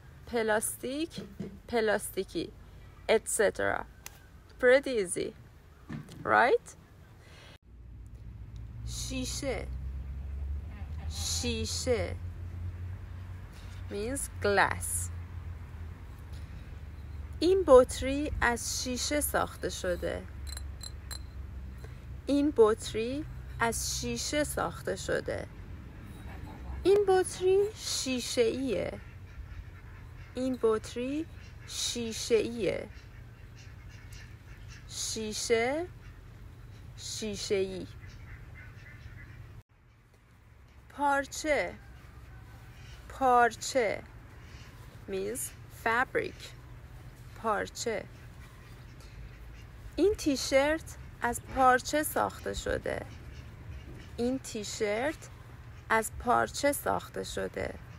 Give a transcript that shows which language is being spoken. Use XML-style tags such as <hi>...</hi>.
<fa>پلاستیک، پلاستیکی.</fa> <en>Etc. Pretty easy. Right? شیشه means glass.</en> <fa>این بطری از شیشه ساخته شده. این بطری از شیشه ساخته شده. این بطری شیشه ایه. این بطری شیشه ایه. شیشه، شیشه ای.</fa> <en>پارچه means fabric.</en> <fa>پارچه. این تیشرت از پارچه ساخته شده. این تیشرت از پارچه ساخته شده.</fa>